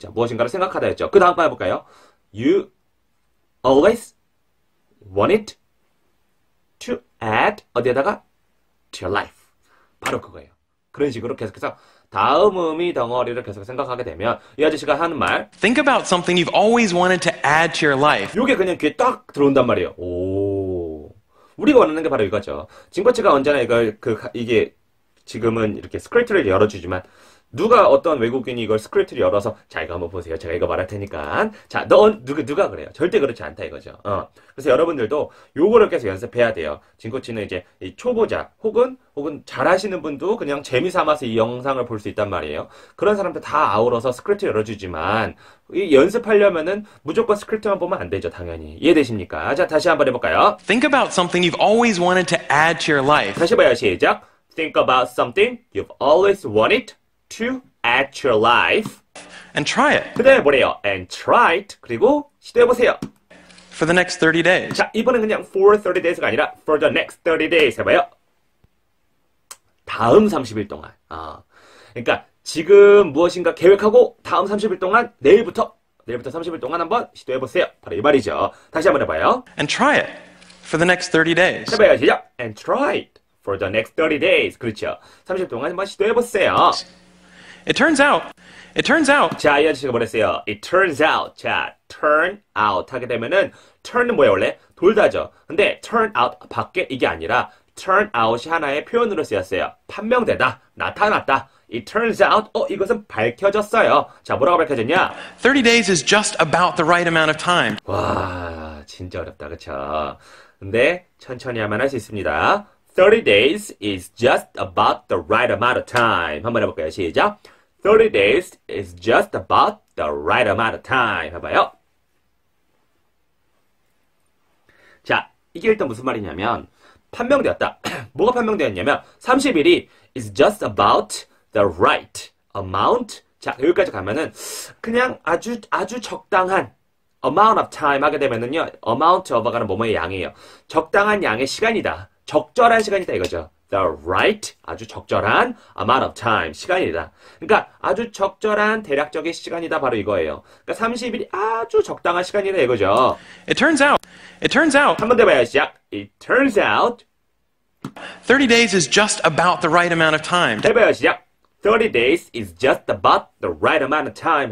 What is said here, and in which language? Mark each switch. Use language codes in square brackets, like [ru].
[ko] 자, 무엇인가를 생각하다였죠. 그 다음 거 해볼까요? [en] You always want it to add [ko] 어디에다가? [en] To your life. [ko] 바로 그거예요. 그런 식으로 계속해서 다음 의미 덩어리를 계속 생각하게 되면 이 아저씨가 하는 말 [en] Think about something you've always wanted to add to your life. [ko] 요게 그냥 귀에 딱 들어온단 말이에요. 오, 우리가 원하는 게 바로 이거죠. 진코치가 언제나 이걸 이게 지금은 이렇게 스크립트를 열어주지만 누가 어떤 외국인이 이걸 스크립트를 열어서 자 이거 한번 보세요. 제가 이거 말할 테니까 자너 누가 그래요? 절대 그렇지 않다 이거죠. 그래서 여러분들도 요거를 계속 연습해야 돼요. 진코치는 이제 이 초보자 혹은 잘하시는 분도 그냥 재미삼아서 이 영상을 볼수 있단 말이에요. 그런 사람들 다 아우러서 스크립트 열어주지만 이 연습하려면은 무조건 스크립트만 보면 안 되죠. 당연히 이해되십니까? 자 다시 한번 해볼까요? [en] Think about something you've always wanted to add to your life. [ko] 다시 봐요. 시작. [en] Think about something you've always wanted to at your life. And try it. [ko] 시도해보래요. [en] And try it. [ko] 그리고 시도해보세요. [en] For the next 30 days. [ko] 자, 이번엔 그냥 [en] for 30 days가 아니라 for the next 30 days [ko] 해봐요. 다음 30일 동안. 그러니까 지금 무엇인가 계획하고 다음 30일 동안 내일부터 30일 동안 한번 시도해보세요. 바로 이 말이죠. 다시 한번 해봐요. [en] And try it for the next 30 days. [ko] 해봐요. 시작. [en] And try it for the next 30 days. [ko] 그렇죠. 30일 동안 한번 시도해보세요. [en] It turns out. [ko] 자, 이 아저씨가 뭐랬어요? [en] It turns out. [ko] 자, turn out 하게 되면은 turn은 뭐예요 원래? 돌다죠. 근데 turn out 밖에 이게 아니라 turn out이 하나의 표현으로 쓰였어요. 판명되다, 나타났다. [en] It turns out, [ko] 이것은 밝혀졌어요. 자, 뭐라고 밝혀졌냐? [en] 30 days is just about the right amount of time. [ko] 와, 진짜 어렵다, 그쵸? 근데 천천히 하면 할 수 있습니다. [en] 30 days is just about the right amount of time. [ko] 한번 해볼까요? 시작! [en] 30 days is just about the right amount of time. [ko] 해봐요. 자, 이게 일단 무슨 말이냐면 판명되었다. 뭐가 판명되었냐면 30일이 [en] is just about the right amount. [ko] 자, 여기까지 가면은 그냥 아주 아주 적당한 amount of time 하게 되면은요. amount of가 뭐뭐의 양이에요. 적당한 양의 시간이다. 적절한 시간이다 이거죠. [en] The right, [ko] 아주 적절한 [en] amount of time, [ko] 시간이다. 그러니까 아주 적절한 대략적인 시간이다, 바로 이거예요. 그러니까 30일이 아주 적당한 시간이다 이거죠. [en] It turns out. [ko] 한번 더 봐요, 시작. [en] It turns out. 30 days is just about the right amount of time. [ko] 해봐요, 시작. [en] 30 days is just about the right amount of time.